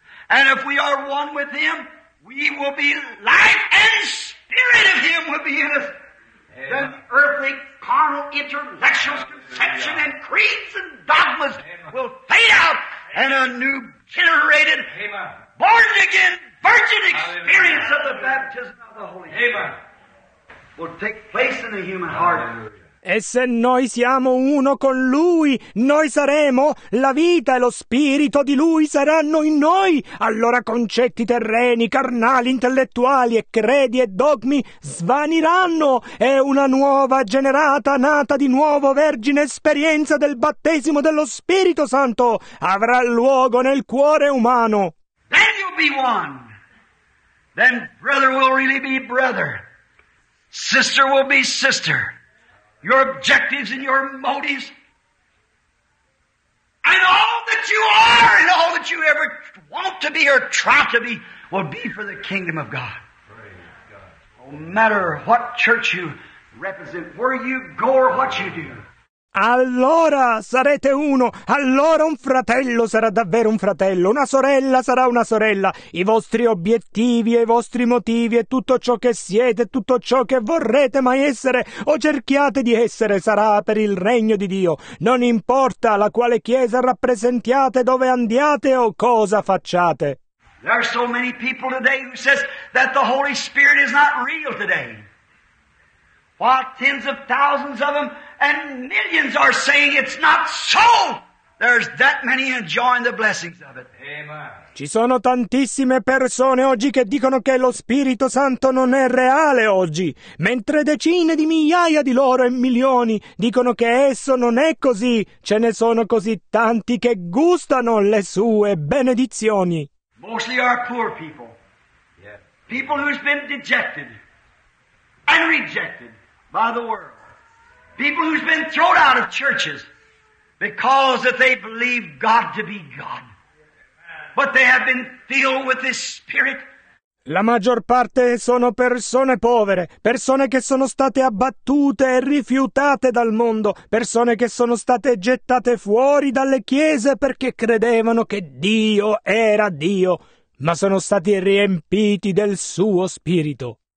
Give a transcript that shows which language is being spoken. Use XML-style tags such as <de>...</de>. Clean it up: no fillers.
<en>And if we are one with Him, we will be life and spirit of Him will be in us. The earthly carnal intellectual conception and creeds and dogmas will fade out and a new generated, born-again, virgin experience of the baptism of the Holy Spirit will take place in the human heart.</en> <it>E se noi siamo uno con Lui, noi saremo, la vita e lo spirito di Lui saranno in noi. Allora concetti terreni, carnali, intellettuali e credi e dogmi svaniranno. È una nuova generata, nata di nuovo, vergine esperienza del battesimo dello Spirito Santo avrà luogo nel cuore umano.</it> <en>Then you'll be one. Then brother will really be brother. Sister will be sister. Your objectives and your motives, and all that you are, and all that you ever want to be or try to be, will be for the kingdom of God. Praise God. No matter what church you represent, where you go or what you do.</en> <it>Allora sarete uno, allora un fratello sarà davvero un fratello, una sorella sarà una sorella. I vostri obiettivi e i vostri motivi e tutto ciò che siete, tutto ciò che vorrete mai essere o cerchiate di essere sarà per il regno di Dio. Non importa la quale chiesa rappresentiate, dove andiate o cosa facciate.</it> <en>There are so many people today who says that the Holy Spirit is not real today. Why, tens of thousands of them and millions are saying it's not so. There's that many enjoying the blessings of it. Amen.</en> <it>Ci sono tantissime persone oggi che dicono che lo Spirito Santo non è reale oggi, mentre decine di migliaia di loro e milioni dicono che esso non è così. Ce ne sono così tanti che gustano le sue benedizioni.</it> <en>Mostly are poor people. Yes. People who's been dejected and rejected by the world. People who's been thrown out of churches because that they believe God to be God. But they have been filled with His Spirit.</en> <it>La maggior parte sono persone povere, persone che sono state abbattute e rifiutate dal mondo, persone che sono state gettate fuori dalle chiese perché credevano che Dio era Dio, ma sono stati riempiti del Suo Spirito.</it>